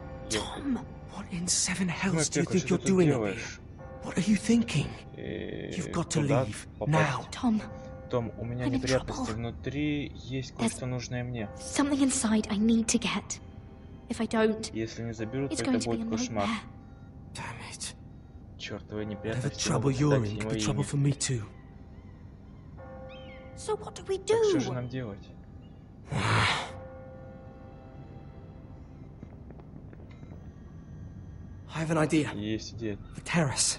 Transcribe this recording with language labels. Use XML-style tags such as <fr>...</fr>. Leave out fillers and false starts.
<en>Tom, what in seven hells do you think you're doing in here? What are you thinking? You've got to leave now, Tom.</en> <ru>Том, у меня неприятности внутри, есть кое-что нужное мне.</ru> <en>Something inside I need to get. If I don't,</en> <ru>если не заберу, то это будет кошмар.</ru> <en>Damn it.</en> <ru>Чёртовы неприятности.</ru> <en>The trouble you're in could be trouble for me too. So what do we do?</en> <ru>Что же нам делать?</ru> <en>I have an idea.</en> <ru>Есть идея.</ru> <en>The terrace.</en>